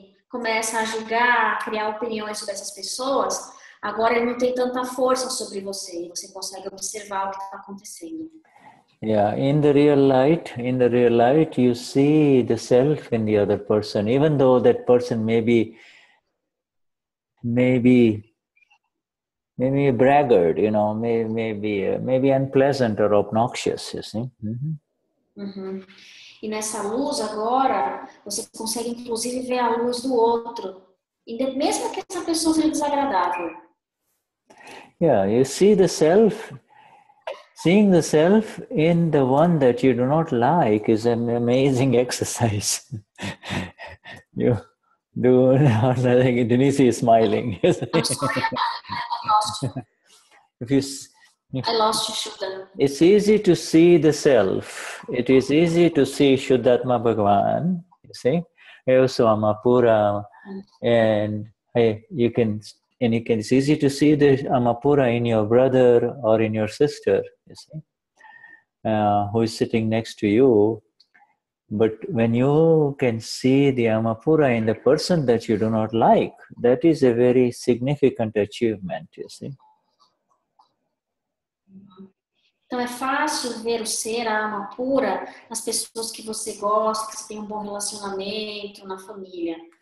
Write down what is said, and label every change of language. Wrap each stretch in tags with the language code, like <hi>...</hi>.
<pt>Começa a julgar, a criar opiniões sobre essas pessoas, agora ele não tem tanta força sobre você, você consegue observar o que está acontecendo.</pt> <en>Yeah, in the real light, you see the self in the other person, even though that person may be a braggart, you know, maybe unpleasant or obnoxious, you see.</en> <pt>E nessa luz agora, você consegue inclusive ver a luz do outro. E mesmo que essa pessoa seja desagradável.</pt> <en>Yeah, you see the self. Seeing the self in the one that you do not like is an amazing exercise. You do, Denise is smiling. I lost you, Shuddhatma. It's easy to see the self. It is easy to see Shuddhatma Bhagavan, you see. Also Amapura, and it's easy to see the Amapura in your brother or in your sister, you see, who is sitting next to you. But when you can see the Amapura in the person that you do not like, that is a very significant achievement, you see.</en> <pt>Então é fácil ver o ser, a alma pura, nas pessoas que você gosta, que você tem um bom relacionamento, na família.</pt>